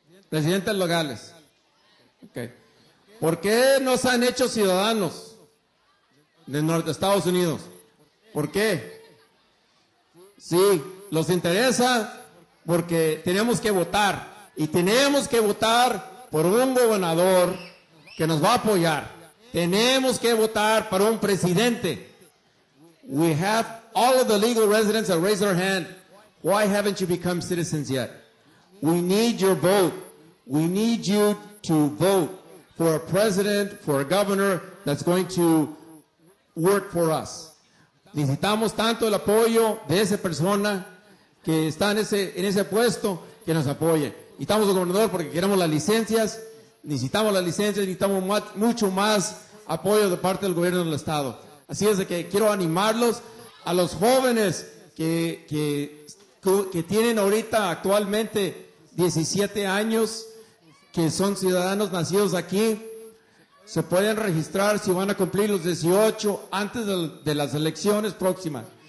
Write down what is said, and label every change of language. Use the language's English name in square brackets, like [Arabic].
[Spanish] Residentes legales. Okay. ¿Por qué no se han hecho ciudadanos de Estados Unidos? ¿Por qué? Sí, los interesa. Porque tenemos que votar, y tenemos que votar por un gobernador que nos va a apoyar. Tenemos que votar para un presidente. [English] We have all of the legal residents that raise their hand. Why haven't you become citizens yet? We need your vote. We need you to vote for a president, for a governor that's going to work for us. [Spanish] Necesitamos tanto el apoyo de esa persona que está en ese puesto, que nos apoye. Necesitamos un gobernador porque queremos las licencias, necesitamos más, mucho más apoyo de parte del gobierno del estado. Así es de que quiero animarlos a los jóvenes que tienen ahorita actualmente 17 años, que son ciudadanos nacidos aquí, se pueden registrar si van a cumplir los 18 antes de las elecciones próximas.